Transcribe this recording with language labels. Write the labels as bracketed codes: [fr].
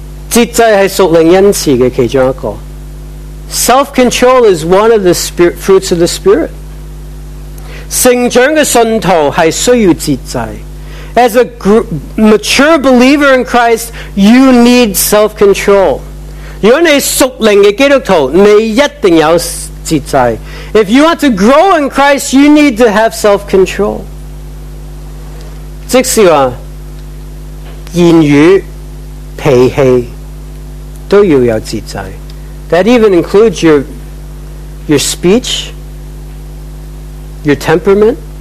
[zh] 节制是属灵恩赐的其中一个。 [en] Self-control is one of the fruits of the Spirit. [zh] 成长的信徒是需要节制。 [en] As a mature believer in Christ, you need self-control. [zh] 如果你是属灵的基督徒，你一定有节制。 [en] If you want to grow in Christ, you need to have self-control. [zh] 即是说言语、脾气都要有节制。 [en] That even includes your speech, your temperament.